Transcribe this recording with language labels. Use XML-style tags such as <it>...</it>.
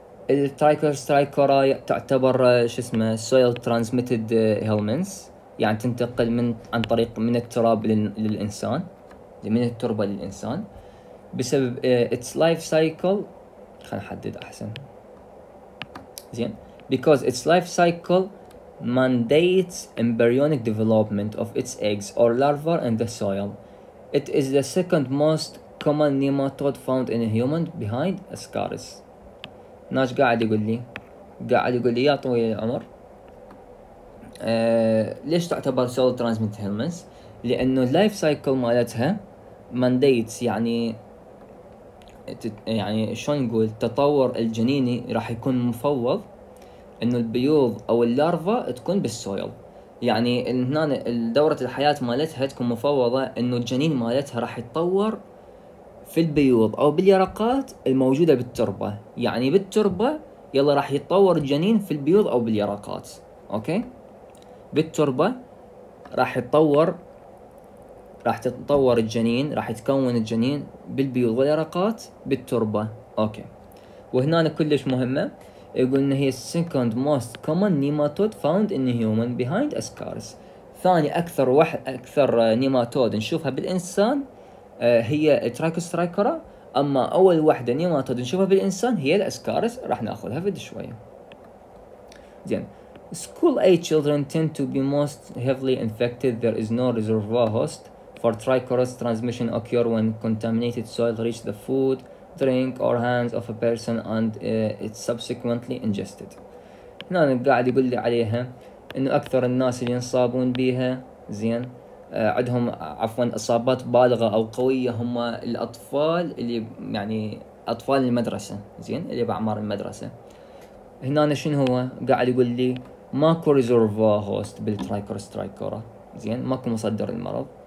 <ar>الترايكورسترايكورا تعتبر شو اسمه</ar> <en>soil transmitted helminths،</en> <ar>يعني تنتقل من عن طريق من التراب للإنسان، من التربة للإنسان. بسبب</ar> <en>its life cycle،</en> <ar>خلنا نحدد أحسن.</ar> <en>زين، because its life cycle mandates embryonic development of its eggs or larvae in the soil. It is the second most common nematode found in a human behind ascaris.</en> <ar>ناش قاعد يقول لي، قاعد يقول لي يا طويل العمر، ليش تعتبر</ar> <en>soil transmitted helminths؟</en> <ar>لأنه life cycle مالتها mandates، يعني شلون نقول تطور الجنيني راح يكون مفوض انه البيوض او اللارفا تكون بالسويل. يعني هنا دورة الحياة مالتها تكون مفوضة انه الجنين مالتها راح يتطور في البيوض او باليرقات الموجودة بالتربة، يعني بالتربة يلا راح يتطور الجنين في البيوض او باليرقات. اوكي، بالتربة راح يتطور، راح تتطور الجنين، راح يتكون الجنين بالبيوض واليرقات بالتربة. اوكي، وهنا كلش مهمة، يقول إن هي</ar> <en>second most common nematode found in human behind ascaris.</en> <ar>ثاني أكثر واحد أكثر نيماتود نشوفها بالإنسان هي الترايكوسترايكورا، أما أول واحدة نيماتود نشوفها بالإنسان هي الأسكارس، راح نأخذها بعد شوية.</ar> <en>زين، school age children tend to be most heavily infected. There is no reservoir host for trichorus transmission occur when contaminated soil reach the food, drink or hands of a person and it's subsequently ingested.</en> <ar>هنا أنا قاعد يقول لي عليها إنه أكثر الناس اللي ينصابون بها، زين، عندهم عفواً إصابات بالغة أو قوية، هم الأطفال اللي يعني أطفال المدرسة، زين، اللي بأعمار المدرسة. هنا أنا شنو هو قاعد يقول لي؟ ماكو reservoir host بالترايكورسترايكورا، زين، ماكو مصدر المرض.</ar>